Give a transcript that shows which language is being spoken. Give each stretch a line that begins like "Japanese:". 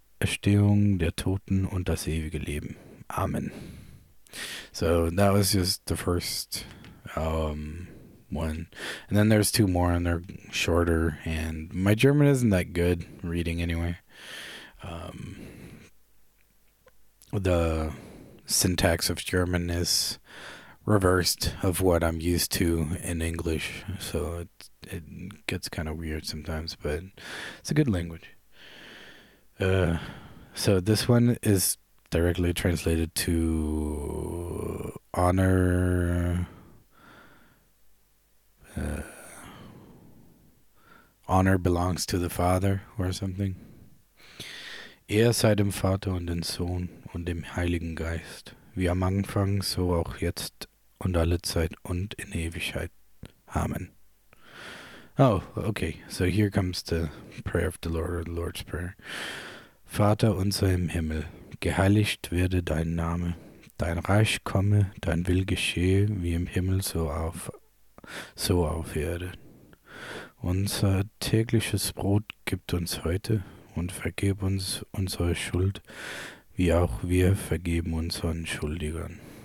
German: Auferstehung der Toten und das ewige Leben. Amen.
English: So that was just the first one. And then there's two more and they're shorter. And my German isn't that good reading anyway. The syntax of German is reversed of what I'm used to in English. So it gets kind of weird sometimes, but it's a good language. So this one is directly translated to honor, honor belongs to the Father or something.
German: Er sei dem Vater und dem Sohn und dem Heiligen Geist, wie am Anfang, so auch jetzt und alle Zeit und in Ewigkeit.
English: Amen. Oh, okay. So here comes the prayer of the Lord, or the Lord's Prayer.
German: Vater unser im Himmel, geheiligt werde dein Name, dein Reich komme, dein Will geschehe, wie im Himmel so auf Erde. Unser tägliches Brot gib uns heute. Und vergib uns unsere Schuld, wie auch wir vergeben unseren Schuldigern.